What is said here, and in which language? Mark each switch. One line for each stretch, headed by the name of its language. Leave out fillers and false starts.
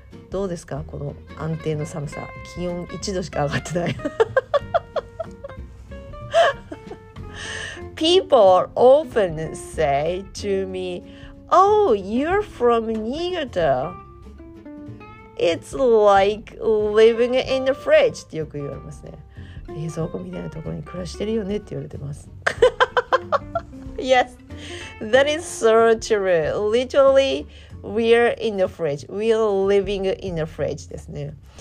Japanese: どうですか、この安定の寒さ。気温1度しか上がってない。
English: People often say to me,Oh, you're from Niigata. It's like living in the fridge.
Japanese: ってよく言われますね。冷蔵庫みたいなところに暮らしてるよねって言われてます。
English: Yes, that is so true. Literally, we're in the fridge. We're living in the fridge
Japanese: ですね。